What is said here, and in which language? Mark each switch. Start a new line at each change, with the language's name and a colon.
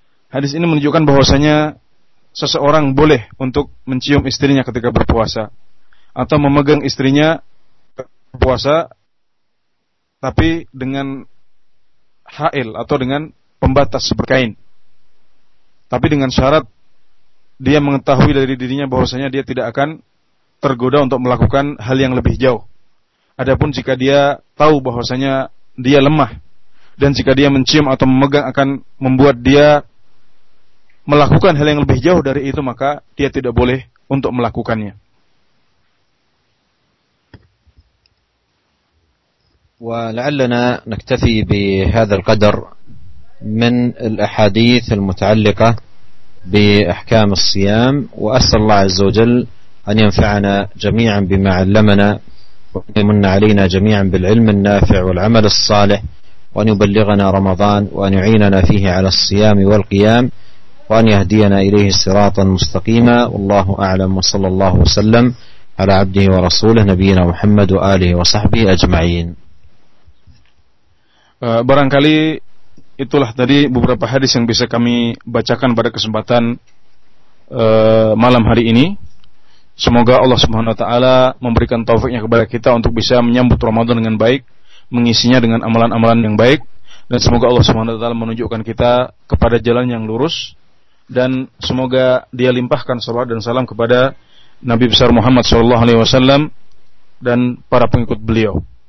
Indonesian: Hadis ini menunjukkan bahwasanya seseorang boleh untuk mencium istrinya ketika berpuasa atau memegang istrinya berpuasa, tapi dengan hail atau dengan pembatas berkain, tapi dengan syarat dia mengetahui dari dirinya bahwasanya dia tidak akan tergoda untuk melakukan hal yang lebih jauh. Adapun jika dia tahu bahwasanya dia lemah dan jika dia mencium atau memegang akan membuat dia melakukan hal yang lebih jauh dari itu, maka dia tidak boleh untuk melakukannya.
Arabic: ولعلنا نكتفي بهذا القدر من الأحاديث المتعلقة بأحكام الصيام، وأسأل الله عز وجل أن ينفعنا جميعا بما علمنا ويمن علينا جميعا بالعلم النافع والعمل الصالح، وأن يبلغنا رمضان وأن يعيننا فيه على الصيام والقيام وأن يهدينا إليه صراطا مستقيما. والله أعلم، وصلى الله وسلم على عبده ورسوله نبينا محمد وآله وصحبه أجمعين.
Indonesian: Barangkali itulah tadi beberapa hadis yang bisa kami bacakan pada kesempatan malam hari ini. Semoga Allah Subhanahu wa taala memberikan taufiknya kepada kita untuk bisa menyambut Ramadan dengan baik, mengisinya dengan amalan-amalan yang baik, dan semoga Allah Subhanahu wa taala menunjukkan kita kepada jalan yang lurus, dan semoga Dia limpahkan salawat dan salam kepada Nabi besar Muhammad sallallahu alaihi wasallam dan para pengikut beliau.